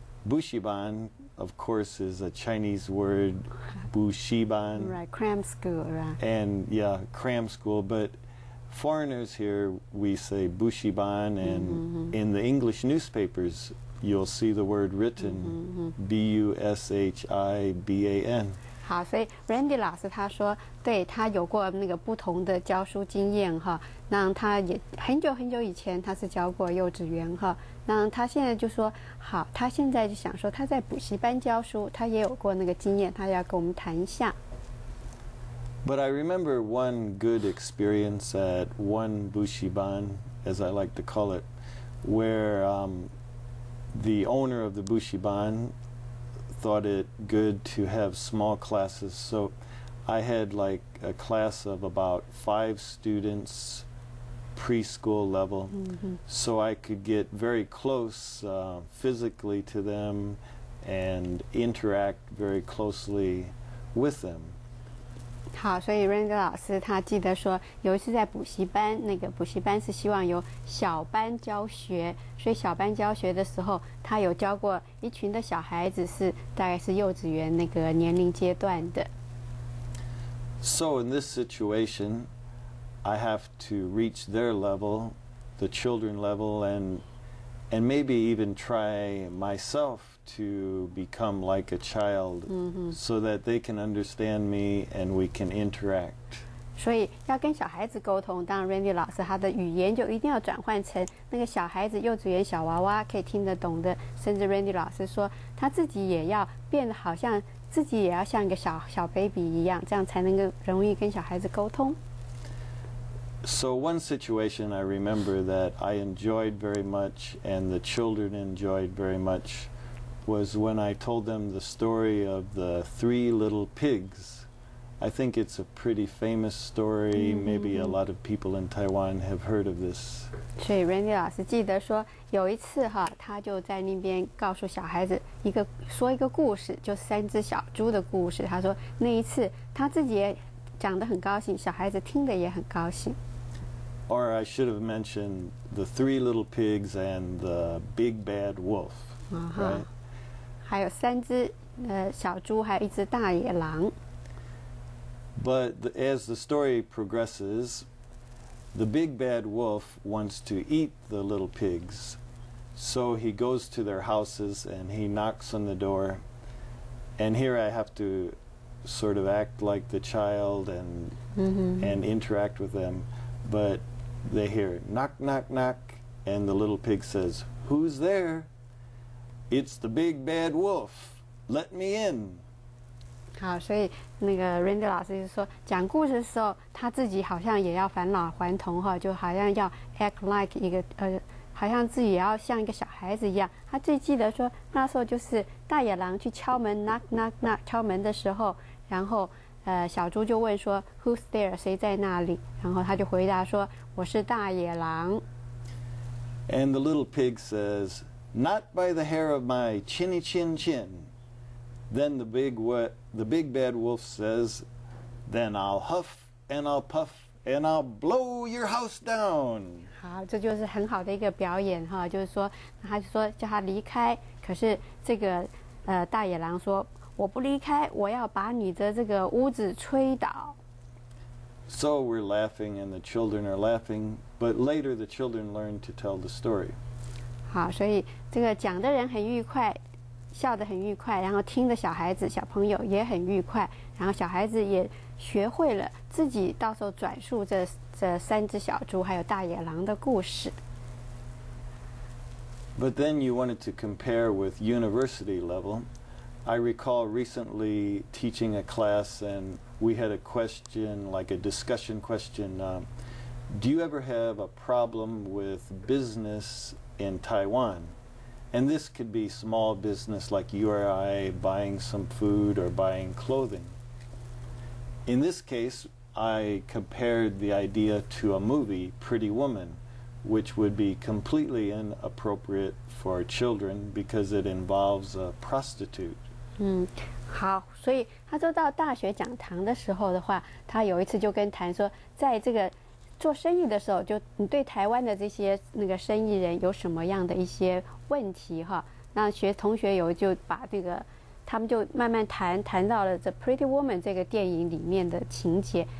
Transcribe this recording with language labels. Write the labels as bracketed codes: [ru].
[en] Bushiban, of course, is a Chinese word, bushiban. Right, cram school, right. And yeah, cram school. But foreigners here, we say bushiban, and in the English newspapers, you'll see the word written, B-U-S-H-I-B-A-N. [zh] 好，所以 Randy 老师他说，对，他有过那个不同的教书经验哈，那他也很久很久以前他是教过幼稚园哈，那他现在就说，好，他现在就想说他在补习班教书，他也有过那个经验，他要跟我们谈一下。 [en] But I remember one good experience at one bushiban, as I like to call it, where the owner of the bushiban thought it good to have small classes. So I had like a class of about five students, preschool level, so I could get very close physically to them and interact very closely with them. [zh] 好，所以 Randy 老师他记得说，有一次在补习班，那个补习班是希望有小班教学，所以小班教学的时候，他有教过一群的小孩子，是大概是幼稚园那个年龄阶段的。 [en] So in this situation, I have to reach their level, the children level, and maybe even try myself to become like a child, so that they can understand me and we can interact. [zh] 所以要跟小孩子沟通，当然 Randy 老师他的语言就一定要转换成那个小孩子、幼稚园小娃娃可以听得懂的，甚至 Randy 老师说他自己也要变得好像自己也要像一个小小 baby 一样，这样才能够容易跟小孩子沟通。 [en] So one situation I remember that I enjoyed very much and the children enjoyed very much was when I told them the story of the three little pigs. I think it's a pretty famous story. Maybe a lot of people in Taiwan have heard of this. [zh] 所以 Randy 老师记得说有一次哈，他就在那边告诉小孩子一个说一个故事，就是三只小猪的故事。他说那一次他自己也讲得很高兴，小孩子听得也很高兴。 [en] Or I should have mentioned the three little pigs and the big bad wolf, right? [zh] 还有三只小猪，还有一只大野狼。 [en] But as the story progresses, the big bad wolf wants to eat the little pigs. So he goes to their houses and he knocks on the door. And here I have to sort of act like the child and, and interact with them. But they hear knock, knock, knock. And the little pig says, "Who's there?" "It's the big bad wolf. Let me in." [zh] 好，所以那个 Randy 老师就说，讲故事的时候，他自己好像也要返老还童哈，就好像要 [en] act like [zh] 一个好像自己也要像一个小孩子一样。他最记得说，那时候就是大野狼去敲门 ， [en] knock knock knock [zh] 敲门的时候，然后小猪就问说 ， [en] Who's there？ [zh] 谁在那里？然后他就回答说，我是大野狼。 [en] And the little pig says, "Not by the hair of my chinny chin chin." Then the big bad wolf says, "Then I'll huff and I'll puff and I'll blow your house down." [zh] 好，这就是很好的一个表演哈，就是说，他就说叫他离开，可是这个大野狼说，我不离开，我要把你的这个屋子吹倒。 [en] So we're laughing and the children are laughing, but later the children learn to tell the story. [zh] 好，所以这个讲的人很愉快。笑得很愉快，然后听着小孩子、小朋友也很愉快，然后小孩子也学会了自己到时候转述这三只小猪还有大野狼的故事。 [en] But then you wanted to compare with university level. I recall recently teaching a class and we had a question, like a discussion question. Do you ever have a problem with business in Taiwan? And this could be small business like you or I buying some food or buying clothing. In this case, I compared the idea to a movie, Pretty Woman, which would be completely inappropriate for children because it involves a prostitute. [zh] 好，所以他说到大学讲堂的时候的话，他有一次就跟谈说，在这个做生意的时候，就你对台湾的这些那个生意人有什么样的一些问题哈？那学同学有就把这个，他们就慢慢谈到了这《Pretty Woman》这个电影里面的情节。